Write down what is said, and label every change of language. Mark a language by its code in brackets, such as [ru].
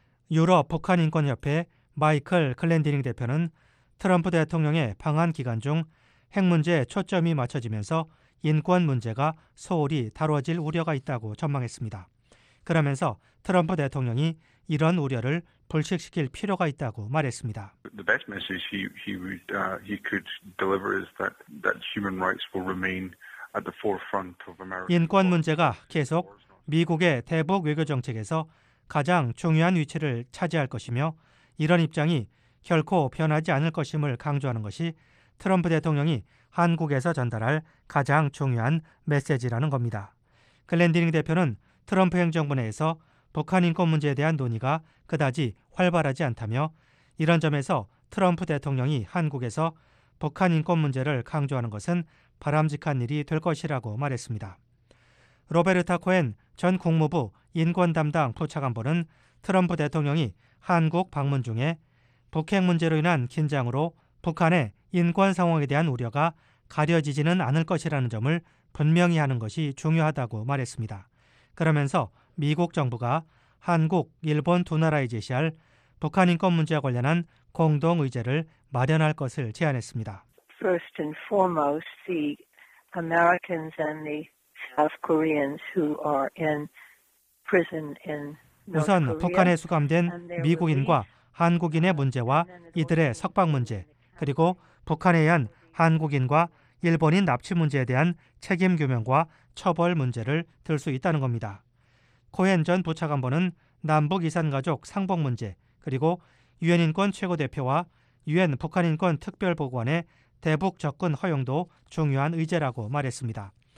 [ko] 유럽 북한인권협회 마이클 글랜디닝 대표는 트럼프 대통령의 방한 기간 중 핵 문제에 초점이 맞춰지면서 인권 문제가 소홀히 다뤄질 우려가 있다고 전망했습니다. 그러면서 트럼프 대통령이 이런 우려를 불식시킬 필요가 있다고 말했습니다. [en] The best message he could deliver is that human rights will remain at the forefront of America. [ko] 인권 문제가 계속 미국의 대북 외교 정책에서 가장 중요한 위치를 차지할 것이며 이런 입장이 결코 변하지 않을 것임을 강조하는 것이 트럼프 대통령이 한국에서 전달할 가장 중요한 메시지라는 겁니다. 글랜디닝 대표는 트럼프 행정부 내에서 북한 인권 문제에 대한 논의가 그다지 활발하지 않다며 이런 점에서 트럼프 대통령이 한국에서 북한 인권 문제를 강조하는 것은 바람직한 일이 될 것이라고 말했습니다. 로베르타 코엔 전 국무부 인권 담당 부차관보는 트럼프 대통령이 한국 방문 중에 북핵 문제로 인한 긴장으로 북한의 인권 상황에 대한 우려가 가려지지는 않을 것이라는 점을 분명히 하는 것이 중요하다고 말했습니다. 그러면서 미국 정부가 한국, 일본 두 나라에 제시할 북한 인권 문제와 관련한 공동 의제를 마련할 것을 제안했습니다. [en] First and foremost, the Americans and the South Koreans who are in prison in North Korea. [ko] 우선 북한에 수감된 미국인과 한국인의 문제와 이들의 석방 문제, 그리고 북한에 의한 한국인과 일본인 납치 문제에 대한 책임 규명과 처벌 문제를 들 수 있다는 겁니다. 코엔 전 부차관보는 남북 이산가족 상봉 문제, 그리고 유엔인권 최고대표와 유엔 북한인권특별보고관의 대북 접근 허용도 중요한 의제라고 말했습니다.